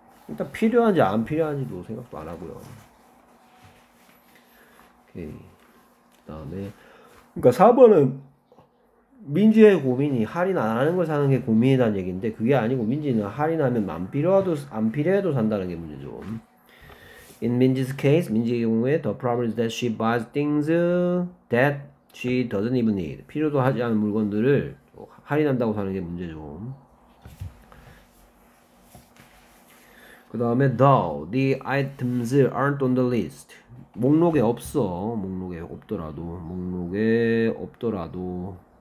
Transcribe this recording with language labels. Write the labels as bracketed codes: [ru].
[ko] 일단 필요한지 안 필요한지도 생각도 안 하고요. 오케이. 그다음에 그러니까 4번은 민지의 고민이 할인 안 하는 걸 사는 게 고민이란 얘기인데 그게 아니고 민지는 할인하면 안 필요해도 산다는 게 문제죠. [en] In Minji's case, [ko] 민지의 경우에 [en] the problem is that she buys things that she doesn't even need. [ko] 필요도 하지 않은 물건들을 할인한다고 사는 게 문제죠. 그 다음에 [en] though the items aren't on the list. [ko] 목록에 없어. 목록에 없더라도. 목록에 없더라도.